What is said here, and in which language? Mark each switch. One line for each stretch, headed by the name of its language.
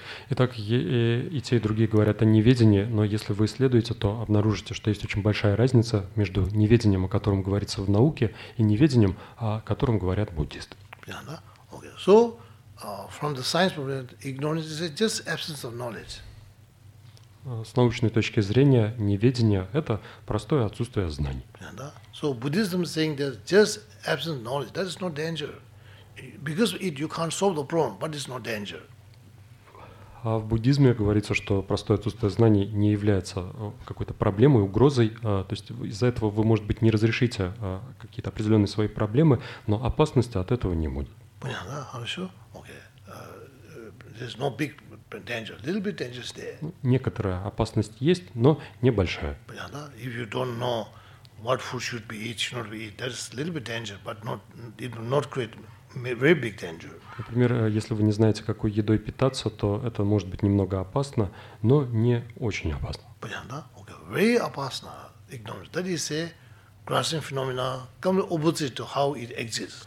Russian: Итак, и те, и другие говорят о неведении, но если вы исследуете, то обнаружите, что есть очень большая разница между неведением, о котором говорится в науке, и неведением, о котором говорят буддисты.
English: So, from the science point of view, ignorance is just absence of knowledge.
Russian: С научной точки зрения, неведение – это простое отсутствие знаний.
English: So, Buddhism saying that just absence of knowledge, that is no danger. Because it, you can't solve the problem, but it's no danger.
Russian: А в буддизме говорится, что простое отсутствие знаний не является какой-то проблемой, угрозой. То есть из-за этого вы, может быть, не разрешите какие-то определенные свои проблемы, но опасности от этого не будет. Понятно, хорошо?
English: Okay. There's no big danger. Little bit danger is there.
Russian: Некоторая опасность есть, но небольшая. Понятно?
English: If you don't know what food should be eat, should not be eat, there's a little bit danger, but not great. Very big danger.
Russian: Например, если вы не знаете, какой едой питаться, то это может быть немного опасно, но не очень опасно. Понятно?
English: Okay. Very опасно. Ignorance. That is a grasping phenomena, come opposite to how it exists.